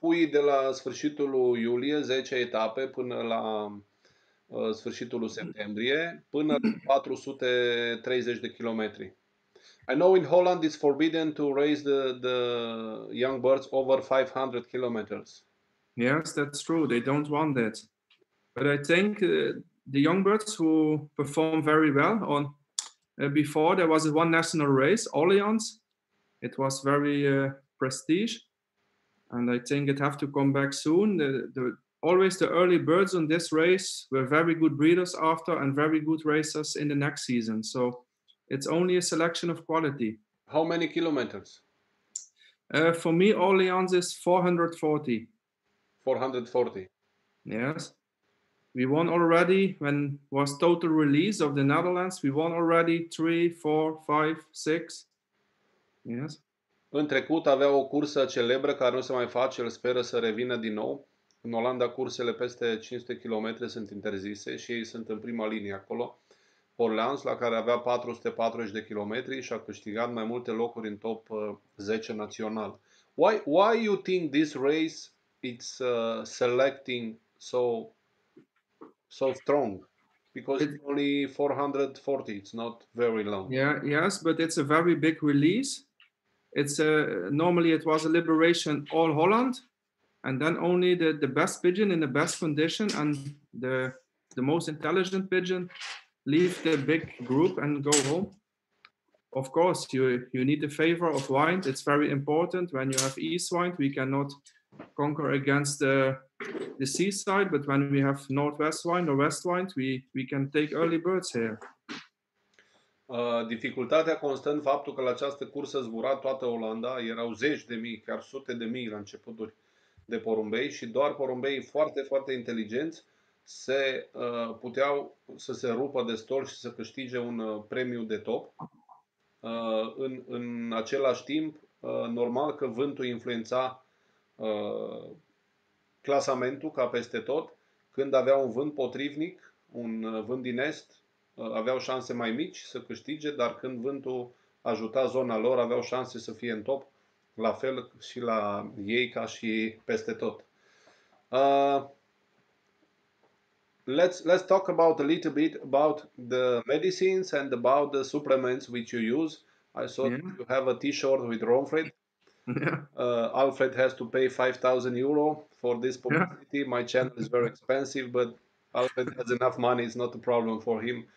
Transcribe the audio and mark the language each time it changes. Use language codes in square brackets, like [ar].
[ro] Pui de la sfârșitul iulie 10 etape până la sfârșitul septembrie, până la 430 de kilometri. [en] I know in Holland it's forbidden to race the young birds over 500 kilometers. Yes, that's true. They don't want that. But I think the young birds who perform very well on before there was one national race, Orleans. It was very prestige. And I think it have to come back soon. Always the early birds on this race were very good breeders after and very good racers in the next season. So it's only a selection of quality. How many kilometers? For me, Orleans is 440. 440. Yes. We won already when was total release of the Netherlands. We won already 3, 4, 5, 6. Yes. [ro] În trecut avea o cursă celebră care nu se mai face, îl speră să revină din nou. În Olanda cursele peste 500 km sunt interzise și ei sunt în prima linie acolo. Orleans, la care avea 440 de kilometri și a câștigat mai multe locuri în top 10 național. [en] Why you think this race it's selecting so strong? Because it's only 440, it's not very long. Yeah, yes, but it's a very big release. It's normally it was a liberation all Holland, and then only the best pigeon in the best condition and the most intelligent pigeon leave the big group and go home. Of course, you need the favor of wind. It's very important when you have east wind. We cannot conquer against the seaside, but when we have northwest wind or west wind, we can take early birds here. [ro] Dificultatea constă în faptul că la această cursă zbura toată Olanda, erau zeci de mii, chiar sute de mii la începuturi de porumbei și doar porumbeii foarte, foarte inteligenți se puteau să se rupă de stol și să câștige un premiu de top. În același timp, normal că vântul influența clasamentul ca peste tot, când avea un vânt potrivnic, un vânt din est, aveau șanse mai mici să câștige, dar când vântul ajuta zona lor, aveau șanse să fie în top, la fel și la ei ca și peste tot. [en] Let's talk about a little bit about the medicines and about the supplements which you use. I saw you have a t-shirt with Romfred. Alfred has to pay 5,000 euro for this publicity. Yeah. My channel is very expensive, but Alfred has enough money, it's not a problem for him.